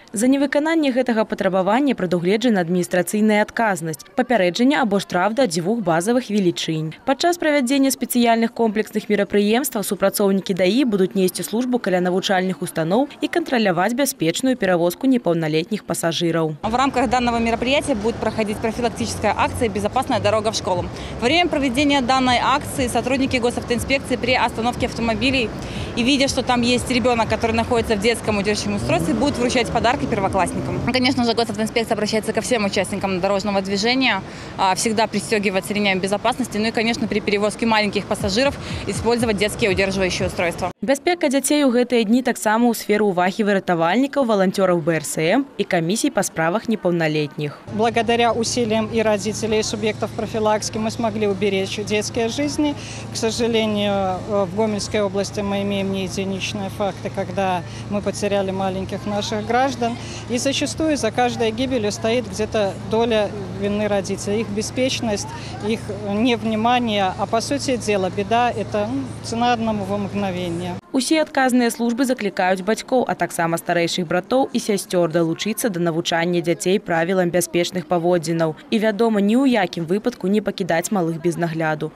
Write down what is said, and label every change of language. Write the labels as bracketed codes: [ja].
[be] За невыкананне гэтага патрабавання прадугледжана адміністрацыйная адказнасць, папярэджанне або штраф да дзвюх базавых велічынь. Падчас правядзення спецыяльных комплексных мерапрыемстваў супрацоўнікі ДАІ будуць несці службу каля навучальных устаноў і кантраляваць бяспечную перавозку непаўналетніх пасажыраў. [ru] В рамках данного мероприятия будет проходить профилактическая акция «Безопасная дорога в школу». Во время проведения данной акции сотрудники госавтоинспекции при остановке автомобилей и видя, что там есть ребенок, который находится в детском удерживающем устройстве, будут вручать подарки первоклассникам. Конечно же, госавтоинспекция обращается ко всем участникам дорожного движения, всегда пристегиваться ремнями безопасности, ну и, конечно, при перевозке маленьких пассажиров использовать детские удерживающие устройства. [be] Безпека детей у гэтыя дні таксама у сферу увагі выратавальнікаў, [ru] волонтеров БРСМ и комиссий по справах неполнолетних. Благодаря усилиям и родителей, и субъектов профилактики мы смогли уберечь детские жизни. К сожалению, в Гомельской области мы имеем не единичные факты, когда мы потеряли маленьких наших граждан. И зачастую за каждой гибелью стоит где-то доля вины родителей. Их беспечность, их невнимание, а по сути дела беда – это цена одному во мгновение. [be] Усе адказныя службы заклікаюць бацькоў, а таксама старэйшых братоў і сясцёр далучыцца да навучання дзяцей правілам бяспечных паводзінаў. І вядома, ні ў якім выпадку не пакідаць малых без нагляду.